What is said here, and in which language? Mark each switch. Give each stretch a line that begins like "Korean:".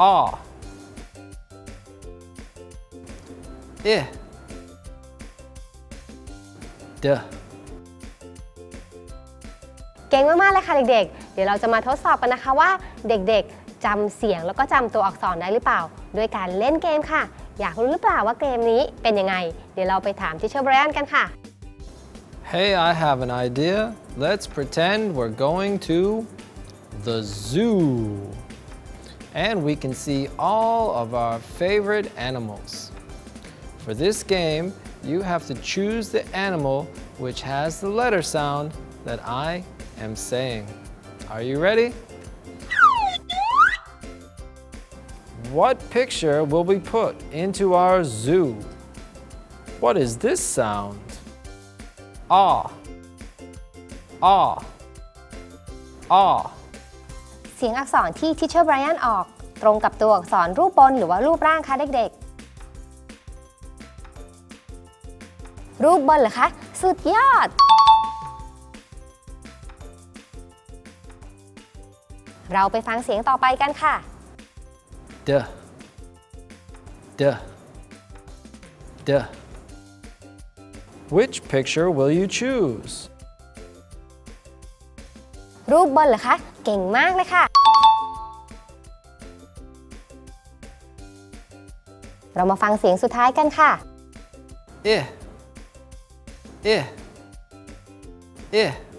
Thai: อ A I D. เก่งมากๆเลยค่ะเด็กๆ เดี๋ยวเราจะมาทดสอบกันนะคะว่าเด็กๆจำเสียงแล้วก็จำตัวอักษรได้หรือเปล่าด้วยการเล่นเกมค่ะอยากรู้หรือเปล่าว่าเกมนี้เป็นยังไงเดี๋ยวเราไปถามทีเชอร์ไบรอันกันค่ะ
English: Hey I have an idea Let's pretend we're going to the zoo and we can see all of our favorite animals For this game you have to choose the animal which has the letter sound that IAm saying, are you ready? What picture will we put into our zoo? What is this sound? Ah, ah, ah.
Thai: เสียงอักษรที่ทีเชอร์ไบรอันออกตรงกับตัวอักษรรูปบนหรือว่ารูปร่างคะเด็กๆรูปบนเหรอคะสุดยอดเราไปฟังเสียงต่อไปกันค่ะ
English: Duh Duh Duh Which picture will you choose?
Thai: รูปบนเหรอคะเก่งมากเลยค่ะเรามาฟังเสียงสุดท้ายกันค่ะ Eh Eh Eh